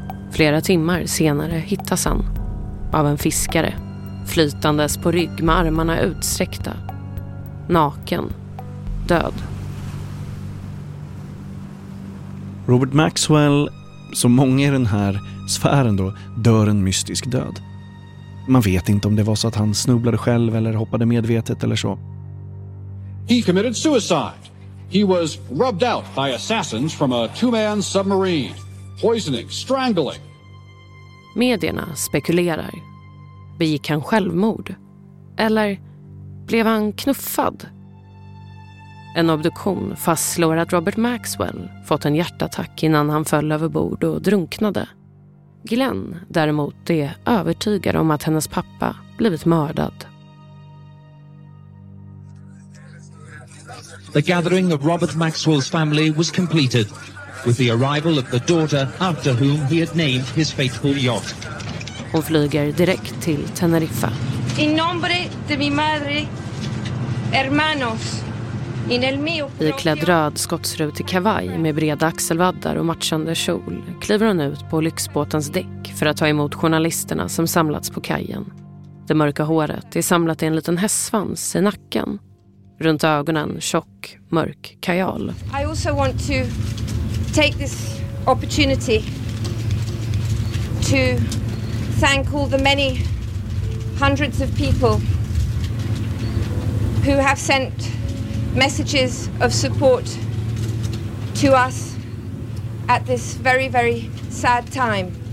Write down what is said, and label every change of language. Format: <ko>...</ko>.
<sv>Flera timmar senare hittas han av en fiskare, flytandes på rygg med armarna utsträckta, naken, död. Robert Maxwell, som många i den här sfären då, dör en mystisk död. Man vet inte om det var så att han snubblade själv eller hoppade medvetet eller så.</sv> <en>He committed suicide. He was rubbed out by assassins from a two-man submarine. Poisoning, strangling.</en> <sv>Medierna spekulerar. Begick han självmord? Eller blev han knuffad? En obduktion fastslår att Robert Maxwell fått en hjärtattack innan han föll över bord och drunknade. Ghislaine däremot är övertygad om att hennes pappa blivit mördad.</sv> <en>The gathering of Robert Maxwell's family was completed with the arrival of the daughter after whom he had named his fateful yacht.</en> <sv>Hon flyger direkt till Teneriffa.</sv> <es>In nombre de mi madre, hermanos.</es> <sv>I klädd röd skottsrutig kavaj med breda axelvaddar och matchande kjol kliver hon ut på lyxbåtens däck för att ta emot journalisterna som samlats på kajen. Det mörka håret är samlat i en liten hästsvans i nacken. Runt ögonen tjock, mörk kajal.</sv> <en>I also want to take this opportunity to thank all the many hundreds of people who have sent messages of support to us at this very, very sad time.</en>